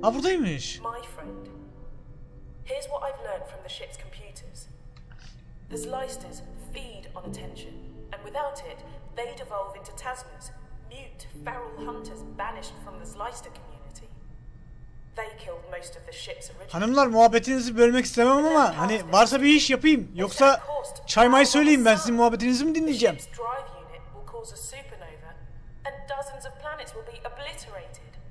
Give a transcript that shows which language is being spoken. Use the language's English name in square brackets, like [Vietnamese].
[Turkish] Ah, buradaymış. [English] My friend. Here's what I've learned from the ship's computers. The Slicers feed on attention, and without it, they devolve into Tasmas, mute, feral hunters banished from the Slicer community. They killed most of the ship's original. [Turkish] Hanımlar, muhabbetinizi bölmek istemem ama hani varsa bir iş yapayım, yoksa çay may söyleyeyim, ben sizin muhabbetinizi mi dinleyeceğim? [English] The drive unit will cause a supernova, and dozens of planets will be obliterated.